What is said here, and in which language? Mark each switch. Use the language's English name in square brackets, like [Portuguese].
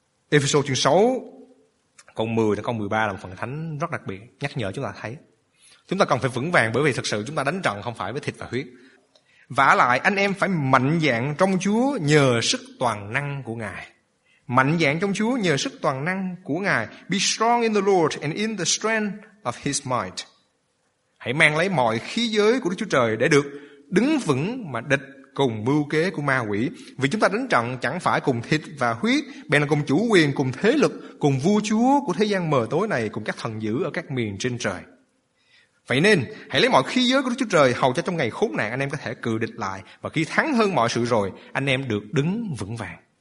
[Vietnamese] Ê-phê-sô chương 6 câu 10 đến câu 13 là một phần thánh rất đặc biệt, nhắc nhở chúng ta thấy chúng ta cần phải vững vàng, bởi vì thực sự chúng ta đánh trận không phải với thịt và huyết. Vả lại anh em phải mạnh dạn trong Chúa nhờ sức toàn năng của Ngài. Mạnh dạn trong Chúa nhờ sức toàn năng của Ngài. [English] Be strong in the Lord and in the strength of His might. [Vietnamese] Hãy mang lấy mọi khí giới của Đức Chúa Trời để được đứng vững mà địch cùng mưu kế của ma quỷ. Vì chúng ta đánh trận chẳng phải cùng thịt và huyết, bèn là cùng chủ quyền, cùng thế lực, cùng vua chúa của thế gian mờ tối này, cùng các thần dữ ở các miền trên trời. Vậy nên hãy lấy mọi khí giới của Đức Chúa Trời, hầu cho trong ngày khốn nạn anh em có thể cự địch lại, và khi thắng hơn mọi sự rồi, anh em được đứng vững vàng.